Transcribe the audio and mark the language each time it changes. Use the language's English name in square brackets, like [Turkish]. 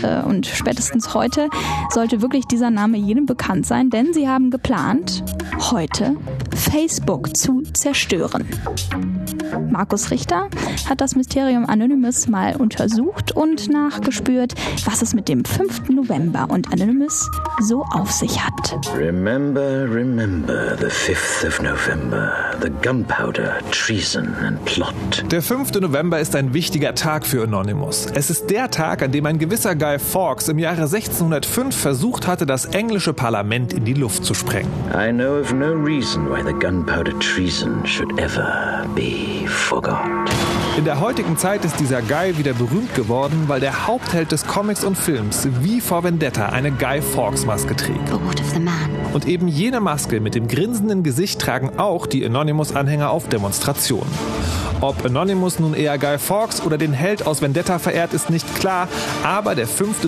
[German] Und spätestens heute sollte wirklich dieser Name jedem bekannt sein, denn sie haben geplant, heute Facebook zu zerstören. Markus Richter hat das Mysterium Anonymous mal untersucht und nachgespürt, was es mit dem 5. November und Anonymous so auf sich hat. [English] Remember, remember the 5th of November, the gunpowder, treason and plot. [German] Der 5. November ist ein wichtiger Tag für Anonymous. Es ist der Tag, an dem ein gewisser Guy Fawkes im Jahre 1605 versucht hatte, das englische Parlament in die Luft zu sprengen. [English] I know of no reason why the gunpowder treason should ever be forgot. [German] In der heutigen Zeit ist dieser Guy wieder berühmt geworden, weil der Hauptheld des Comics und Films wie vor Vendetta eine Guy Fawkes-Maske trägt. [English] But what of the man? [German] Und eben jene Maske mit dem grinsenden Gesicht tragen auch die Anonymous-Anhänger auf Demonstrationen. Ob Anonymous nun eher Guy Fawkes oder den Held aus Vendetta verehrt, ist nicht klar, aber der 5.